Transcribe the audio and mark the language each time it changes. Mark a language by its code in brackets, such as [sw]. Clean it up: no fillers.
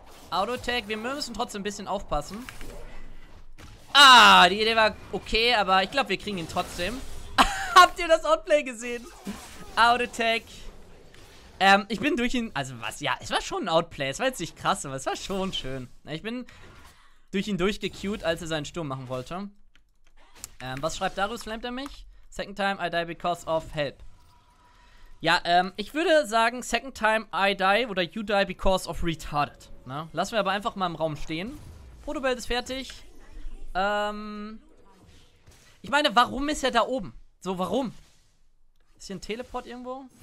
[de] Autotech, wir müssen trotzdem ein bisschen aufpassen. Ah, die Idee war okay, aber ich glaube, wir kriegen ihn trotzdem. Habt ihr das Outplay gesehen? Autotech. Ich bin durch ihn... Also was? Ja, es war schon ein Outplay. Es war jetzt nicht krass, aber es war schon schön. Ich bin durch ihn durchgecued, als er seinen Sturm machen wollte. Was schreibt Darius? Flammt er mich? [en] Second time I die because of help. [de] Ja, ich würde sagen, [en] second time I die [de] oder [en] you die because of retarded. [de] Ne? Lassen wir aber einfach mal im Raum stehen. Protobelt ist fertig. Ich meine, warum ist er da oben? So, warum? Ist hier ein Teleport irgendwo?